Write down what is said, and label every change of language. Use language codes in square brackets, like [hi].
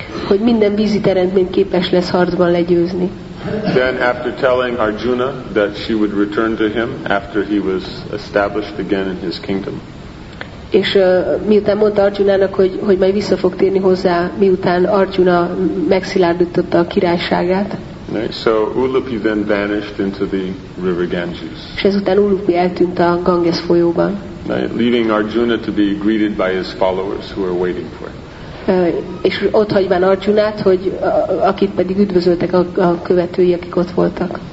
[hu] Hogy minden vízi teremtmény képes lesz harcban legyőzni. [en] Then after telling Arjuna that she would return to him after he was established again in his kingdom. [hu] És miután mondta Arjunának, hogy majd vissza fog térni hozzá, miután Arjuna megszilárdította a királyságát. [en] Right. So Ulupi then vanished into the river Ganges. [hu] És ezután Ulupi eltűnt a Ganges folyóban. [en] Right. Leaving Arjuna to be greeted by his followers who are waiting for him. [hu] És ott hagyván Arjunát, hogy akit pedig üdvözöltek a követői, akik ott voltak.